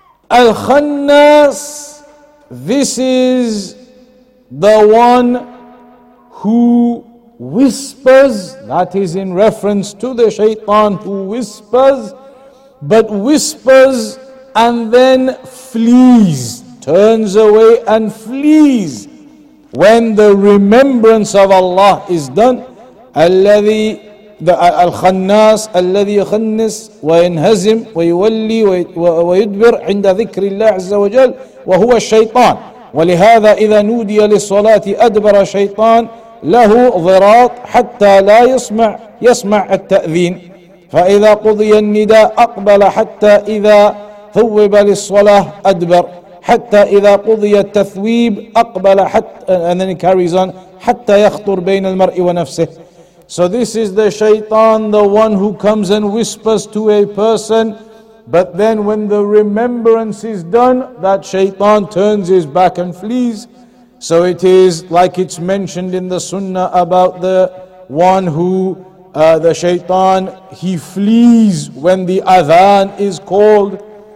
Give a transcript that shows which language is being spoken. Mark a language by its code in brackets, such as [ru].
[en] الْخَنَّاسِ, this is the one who whispers, that is in reference to the shaitan who whispers, but whispers and then flees, turns away and flees when the remembrance of Allah is done. [ar] الَّذِي الخناس الذي يخنس وينهزم ويولي ويدبر عند ذكر الله عز وجل وهو الشيطان ولهذا إذا نودي للصلاة أدبر شيطان له ضراط حتى لا يسمع التأذين فإذا قضي النداء أقبل حتى إذا ثوب للصلاة أدبر حتى إذا قضي التثويب أقبل حتى [en] and then it carries on [ar] حتى يخطر بين المرء ونفسه. [en] So this is the shaitan, the one who comes and whispers to a person, but then when the remembrance is done, that shaitan turns his back and flees. So it is like it's mentioned in the sunnah about the one who, the shaitan, he flees when the adhan is called.